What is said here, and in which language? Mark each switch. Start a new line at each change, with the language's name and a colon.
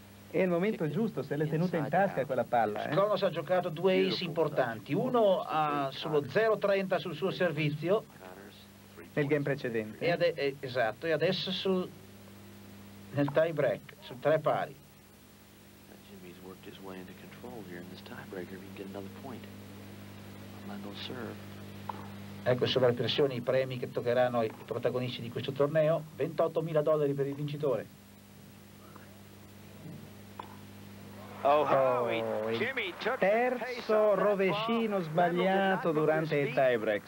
Italian: È il momento giusto, se l'è tenuta in tasca quella palla. Connors ha giocato due ace importanti, uno ha solo 0-30 sul suo servizio. Nel game precedente. Esatto, e adesso sul... nel tie break, su tre pari.
English: Jimmy's worked his way into control here in this tiebreaker. If he can get another point, Lendl serve.
Italian: Ecco, sovrappressione, i premi che toccheranno ai protagonisti di questo torneo. $28,000 per il vincitore.
English: Oh, Jimmy took the
Italian: terzo rovescino sbagliato durante il tie break.